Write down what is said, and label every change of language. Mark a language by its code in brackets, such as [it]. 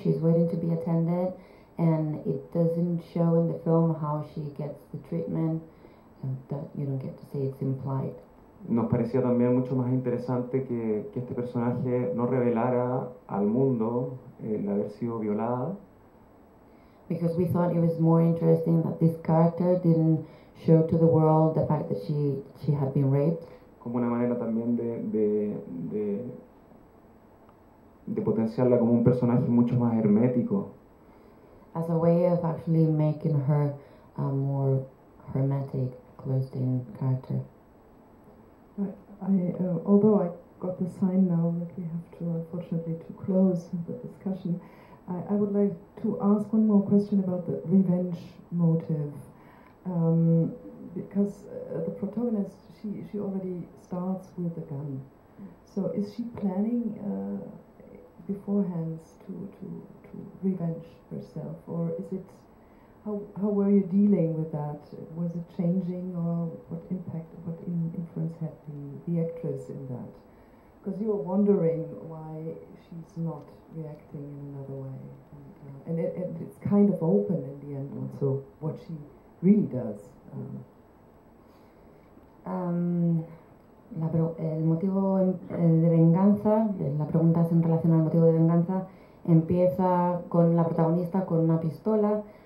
[en] She's waiting to be attended, and it doesn't show in the film how she gets the treatment. That you don't get to see. It's implied. [es] Nos parecía también mucho más interesante que este personaje no revelara al mundo el haber sido violada. [en] Because we thought it was more interesting that this character didn't show to the world the fact that she had been raped. [es] Como una manera también de potenciarla como un personaje mucho más hermético. [en] As a way of actually making her a more hermetic, closed-in character. Although I got the sign now that we have to, unfortunately, to close the discussion, I would like to ask one more question about the revenge motive. Because the protagonist, she already starts with a gun. So is she planning beforehand to revenge herself? Or is it, how were you dealing with that? Was it changing, or what impact, what influence had the actress in that? Because you were wondering why she's not reacting in another way. And it's kind of open in the end also what she really does. [es] El motivo de venganza, la pregunta es en relación al motivo de venganza, empieza con la protagonista con una pistola.